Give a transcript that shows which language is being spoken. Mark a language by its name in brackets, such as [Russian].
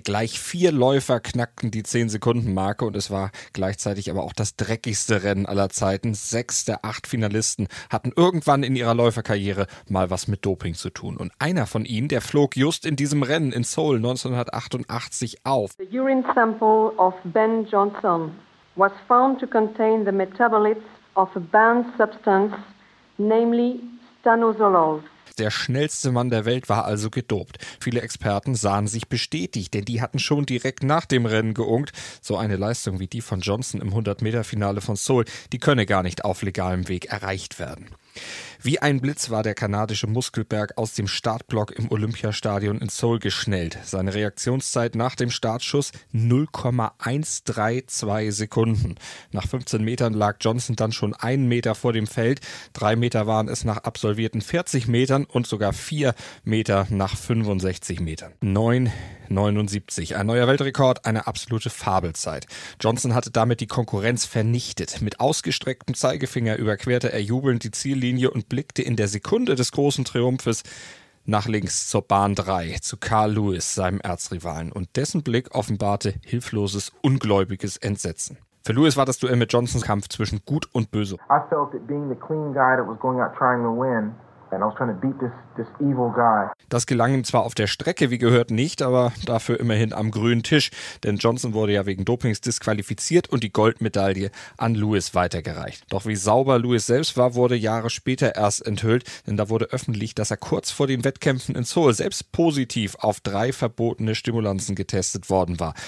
[German] Gleich vier Läufer knackten die 10-Sekunden-Marke und es war gleichzeitig aber auch das dreckigste Rennen aller Zeiten. 6 der 8 Finalisten hatten irgendwann in ihrer Läuferkarriere mal was mit Doping zu tun. Und einer von ihnen, der flog just in diesem Rennen in Seoul 1988 auf. [English] The urine sample of Ben Johnson was found to contain the metabolites of a banned substance, namely stanozolol. [German] Der schnellste Mann der Welt war also gedopt. Viele Experten sahen sich bestätigt, denn die hatten schon direkt nach dem Rennen geunkt. So eine Leistung wie die von Johnson im 100-Meter-Finale von Seoul, die könne gar nicht auf legalem Weg erreicht werden. Wie ein Blitz war der kanadische Muskelberg aus dem Startblock im Olympiastadion in Seoul geschnellt. Seine Reaktionszeit nach dem Startschuss 0,132 Sekunden. Nach 15 Metern lag Johnson dann schon einen Meter vor dem Feld. 3 Meter waren es nach absolvierten 40 Metern und sogar 4 Meter nach 65 Metern. 9,79. Ein neuer Weltrekord, eine absolute Fabelzeit. Johnson hatte damit die Konkurrenz vernichtet. Mit ausgestrecktem Zeigefinger überquerte er jubelnd die Ziellinie und blickte in der Sekunde des großen Triumphes nach links zur Bahn 3, zu Carl Lewis, seinem Erzrivalen. Und dessen Blick offenbarte hilfloses, ungläubiges Entsetzen. Für Lewis war das Duell mit Johnsons Kampf zwischen Gut und Böse. [English] I felt it being the clean guy that was going out trying to win. And I was trying to beat this evil guy. [German] Das gelang ihm zwar auf der Strecke, wie gehört, nicht, aber dafür immerhin am grünen Tisch. Denn Johnson wurde ja wegen Dopings disqualifiziert und die Goldmedaille an Lewis weitergereicht. Doch wie sauber Lewis selbst war, wurde Jahre später erst enthüllt. Denn da wurde öffentlich, dass er kurz vor den Wettkämpfen in Seoul selbst positiv auf 3 verbotene Stimulanzen getestet worden war.